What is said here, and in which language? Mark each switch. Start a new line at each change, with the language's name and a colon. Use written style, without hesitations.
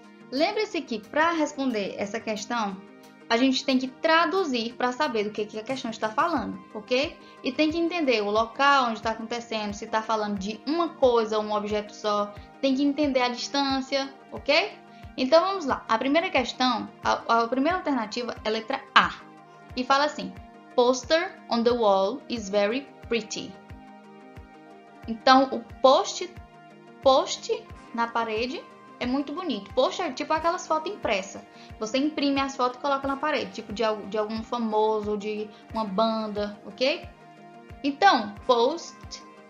Portuguese: Lembre-se que para responder essa questão, a gente tem que traduzir para saber do que a questão está falando, ok? E tem que entender o local onde está acontecendo, se está falando de uma coisa ou um objeto só. Tem que entender a distância, ok? Então, vamos lá. A primeira questão, a primeira alternativa é a letra A. E fala assim:
English: Poster on the wall is very pretty.
Portuguese: Então, o post na parede é muito bonito. Poster é tipo aquelas fotos impressas. Você imprime as fotos e coloca na parede, tipo de algum famoso, de uma banda, ok? Então, post